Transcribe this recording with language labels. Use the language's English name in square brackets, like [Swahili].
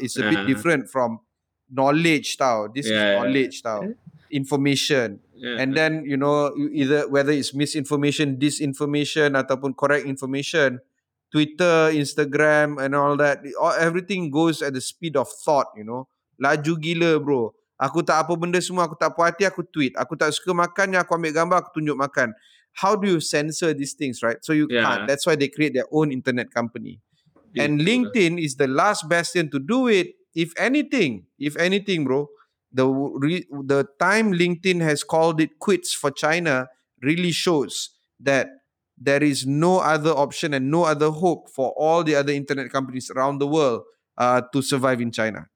[English] It's a bit different from knowledge tau. This is knowledge tau. Information. And then, you know, whether it's misinformation, disinformation, ataupun correct information, Twitter, Instagram and all that, everything goes at the speed of thought, you know. [Malay] Laju gila, bro. Aku tak apa benda semua, aku tak puas hati, aku tweet. Aku tak suka makan, aku ambil gambar, aku tunjuk makan. [English] How do you censor these things, right? So you can't. That's why they create their own internet company. And LinkedIn is the last bastion to do it. If anything, bro, the time LinkedIn has called it quits for China really shows that there is no other option and no other hope for all the other internet companies around the world to survive in China.